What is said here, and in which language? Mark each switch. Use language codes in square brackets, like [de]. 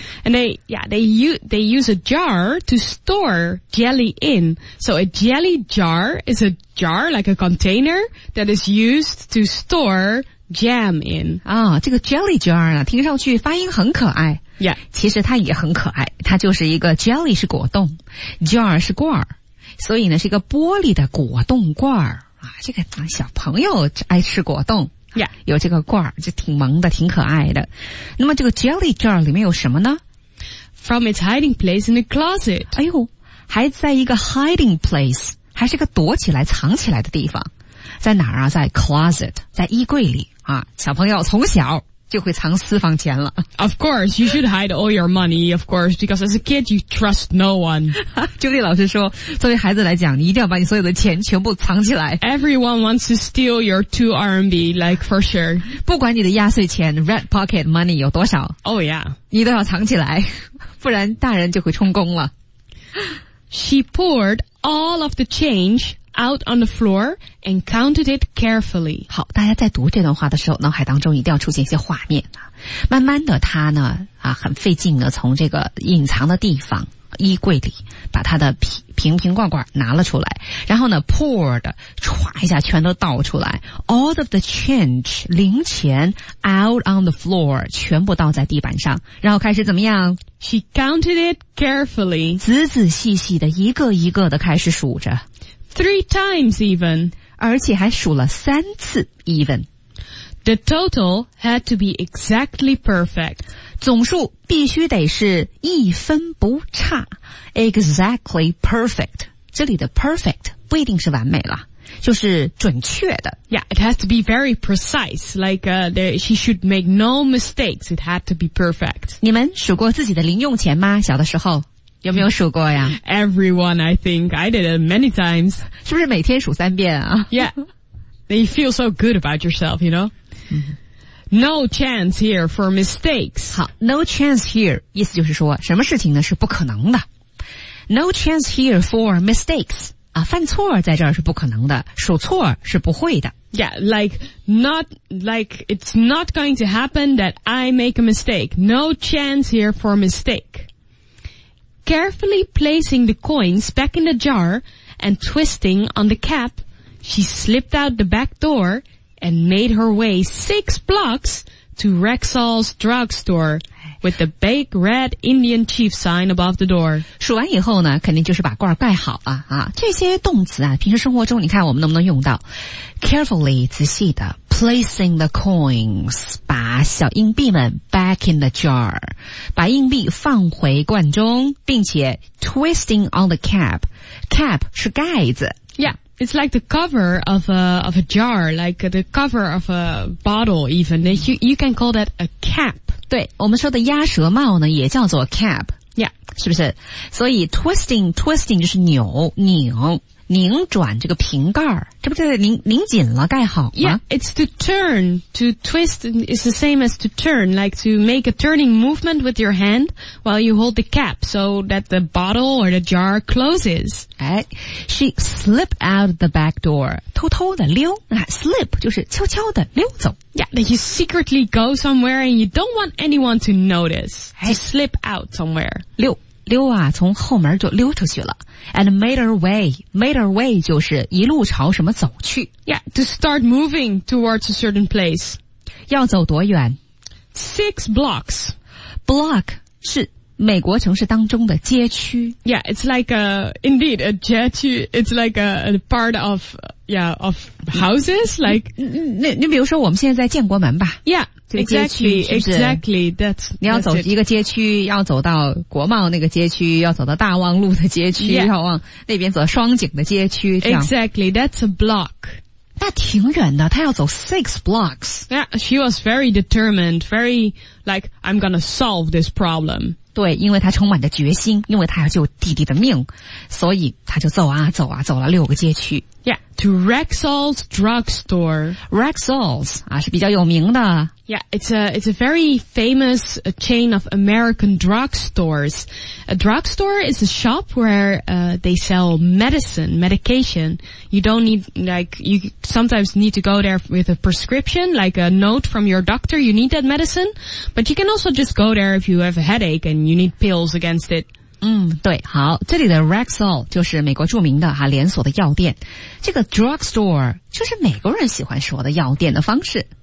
[en] And they use a jar to store jelly in. So a jelly jar is a jar, like a container, that is used to store jam in. [zh] 啊、哦、这个 jelly jar 啊听上去发音很可爱。 [en] Yeah. [zh] 其实它也很可爱。它就是一个 jelly 是果冻 ,jar 是罐儿。所以呢是一个玻璃的果冻罐儿。啊这个小朋友爱吃果冻。 [en] Yeah. [zh] 有这个罐儿就挺萌的挺可爱的。那么这个 jelly jar 里面有什么呢 [en] ?From its hiding place in the closet. [zh] 哎呦还在一个 hiding place, 还是个躲起来藏起来的地方。在哪儿啊在 closet, 在衣柜里。啊小朋友从小就会藏私房钱了。 [en] Of course, you should hide all your money, of course, because as a kid, you trust no one. [zh] Judy 老师说作为孩子来讲你一定要把你所有的钱全部藏起来。 [en] Everyone wants to steal your 2 RMB, like for sure. [zh] 不管你的压岁钱 [en] red pocket money [zh] 有多少。 [en] Oh yeah. [zh] 你都要藏起来不然大人就会充公了。 [en] She poured all of the change out on the floor and counted it carefully. [zh] 好大家在读这段话的时候脑海当中一定要出现一些画面。慢慢的他呢啊很费劲的从这个隐藏的地方衣柜里把他的瓶瓶罐罐拿了出来。然后呢 poured, 唰一下全都倒出来。 [en] All of the change, [zh] 零钱 [en] out on the floor, [zh] 全部倒在地板上。然后开始怎么样 [en] ?She counted it carefully. [zh] 仔仔细细的一个一个的开始数着。 [en] Three times even. [zh] 而且还数了三次 even. [en] The total had to be exactly perfect. [zh] 总数必须得是一分不差。 [en] Exactly perfect. [zh] 这里的 perfect 不一定是完美了。就是准确的。 [en] Yeah, it has to be very precise. Like, she should make no mistakes. It had to be perfect. [zh] 你们数过自己的零用钱吗小的时候有没有数过呀 [en] ?Everyone, I think. I did it many times. [zh] 是不是每天数三遍啊 [en] ?Yeah. You feel so good about yourself, you know? No chance here for mistakes. [zh] 好 , [en] no chance here, [zh] 意思就是说什么事情呢是不可能的。 [en] No chance here for mistakes. [zh] 啊，犯错在这儿是不可能的，数错是不会的。 [en] Yeah, like, it's not going to happen that I make a mistake. No chance here for a mistake. Carefully placing the coins back in the jar and twisting on the cap, she slipped out the back door and made her way 6 blocks to Rexall's drugstore with the big red Indian chief sign above the door. [zh] 数完以后呢，肯定就是把罐盖好了啊。这些动词啊，平时生活中你看我们能不能用到 ？Carefully, 仔细的 [en] placing the coins, [zh] 把小硬币们 [en] back in the jar, [zh] 把硬币放回罐中，并且 [en] twisting on the cap. [zh] Cap 是盖子。 [en] Yeah. It's like the cover of a jar, like the cover of a bottle even. You can call that a cap. [zh] 对，我们说的鸭舌帽呢，也叫做 cap. [en] Yeah. [zh] 是不是？所以 twisting 就是扭，拧转这个瓶盖，这不就是拧紧了，盖好吗？ [en] Yeah, it's to turn, to twist is the same as to turn, like to make a turning movement with your hand while you hold the cap so that the bottle or the jar closes. She slipped out the back door, [zh] 偷偷的溜、slip 就是悄悄的溜走。 [en] Yeah, that you secretly go somewhere and you don't want anyone to notice, to slip out somewhere. [zh] 溜啊，从后门就溜出去了。 [en] And made her way [zh] 就是一路朝什么走去。 [en] Yeah, to start moving towards a certain place. [zh] 要走多远？ [en] 6 blocks. [zh] Block 是美国城市当中的街区。 [en] Yeah, it's like a, indeed, a 街区。 It's like a part of, yeah, of houses, like. [zh] 你比如说我们现在在建国门吧。 [en] Yeah. Exactly, that's [zh] 你要走一个街区，要走到国贸那个街区，要走到大望路的街区、 [en] yeah. [zh] 要往那边走双井的街区。 [en] Exactly, that's a block. [zh] 那挺远的，她要走 6 blocks. [en] Yeah, she was very determined, very like, I'm gonna solve this problem. [zh] 对，因为她充满着决心，因为她要救弟弟的命，所以她就走啊走啊走了六个街区。 [en] Yeah, to Rexall's drugstore. [zh] Rexall's, 啊，是比较有名的。 [en] Yeah, it's a very famous chain of American drugstores. A drugstore is a shop where, they sell medication. You don't need, like, you sometimes need to go there with a prescription, like a note from your doctor, you need that medicine. But you can also just go there if you have a headache and you need pills against it. [zh] 对，好，这里的 Rexall 就是美国著名的连锁的药店。这个 drugstore 就是美国人喜欢说的药店的方式。